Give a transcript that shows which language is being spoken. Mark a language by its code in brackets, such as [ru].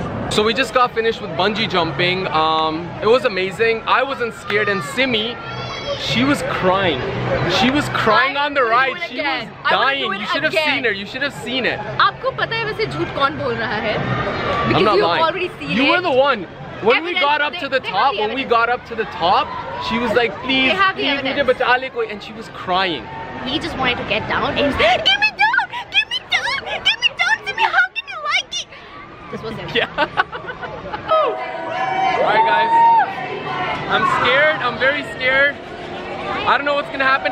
[en] So we just got finished with bungee jumping. It was amazing. I wasn't scared, and Simi, she was crying. She was crying on the ride. She was dying. You should have seen her. You should have seen it. [hi] आपको पता है वैसे झूठ कौन बोल रहा है? [en] I'm not lying. You were the one. When we got up to the top, she was like, please, please, [hi] mujhe bacha le koi, [en] and she was crying. He just wanted to get down and said, give me down, give me down, give me down, Simi, how can you like it? This was it. Yeah. Alright guys, I'm scared, I'm very scared. I don't know what's gonna happen.